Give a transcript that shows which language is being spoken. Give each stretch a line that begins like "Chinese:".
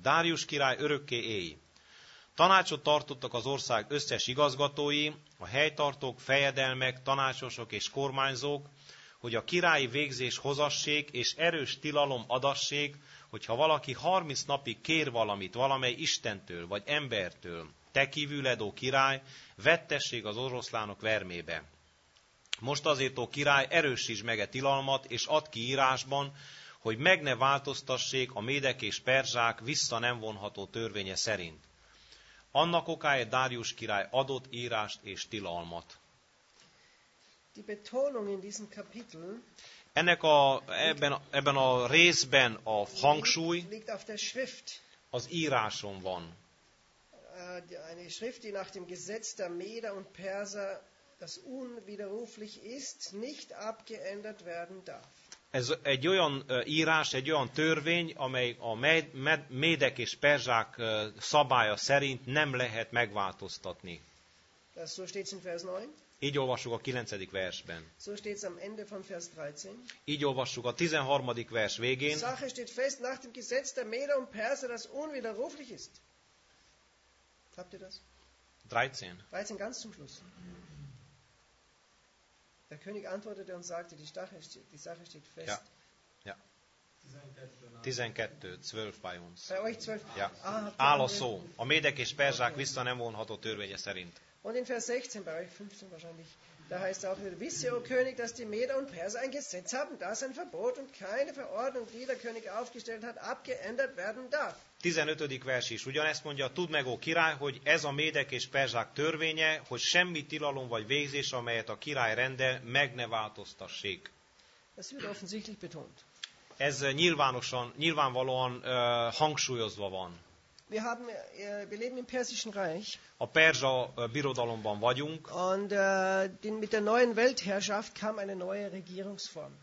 Hungarian: Dárius király örökké élj! Tanácsot tartottak az ország összes igazgatói, a helytartók, fejedelmek, tanácsosok és kormányzók, hogy a királyi végzés hozassék és erős tilalom adassék, hogyha valaki 30 napig kér valamit valamely istentől vagy embertől, te kívüled, ó király, vettessék az oroszlánok vermébe. Most azért, ó király, erősítsd meg a tilalmat, és add ki írásban, hogy meg ne változtassék a médek és perzsák vissza nem vonható törvénye szerint. Annak okáért Dárius király adott írást és tilalmat.
German: Die Betonung in diesem Kapitel,
Hungarian: ennek a, ebben a részben a hangsúly
German: liegt auf der Schrift,
Hungarian: az íráson van.
German: Eine Schrift, die nach dem Gesetz der Meder und Perser, das unwiderruflich ist, nicht abgeändert werden darf.
Hungarian: Ez egy olyan írás, egy olyan törvény, amely a médek és perzsák szabálya szerint nem lehet megváltoztatni.
German: Das so steht's in Vers 9.
Hungarian: Így olvassuk a 9. versben.
German: So steht's am Ende von Vers 13.
Hungarian: Így olvassuk a 13. vers végén.
German: Die Sache steht fest nach dem Gesetz der Meder und Perser, das unwiderruflich ist. Habt ihr das? 13. 13 ganz zum Schluss. Der König antwortete und sagte, die Sache steht fest. Ja. Ja. 12, 12 bei uns. Bei euch 12. Ja.
Hungarian: Áll a szó. A médek és perzsák okay. Vissza nem vonható törvénye szerint.
German: Und in Vers 16, bei euch 15 wahrscheinlich, da heißt es auch wieder, wisse, o König, dass die Meder und Perser ein Gesetz haben, das ein Verbot und keine Verordnung, die der König aufgestellt hat, abgeändert werden darf. 15.
Hungarian: vers is ugyanezt mondja, tudd meg, ó király, hogy ez a médek és perzsák törvénye, hogy semmi tilalom vagy végzés, amelyet a király rendel, meg ne változtassék.
German: Ez wird offensichtlich betont.
Hungarian: Ez nyilvánvalóan hangsúlyozva van.
German: Wir leben im persischen Reich.
Hungarian: A Perzsa birodalomban vagyunk.
German: Und mit der neuen Weltherrschaft kam eine neue Regierungsform.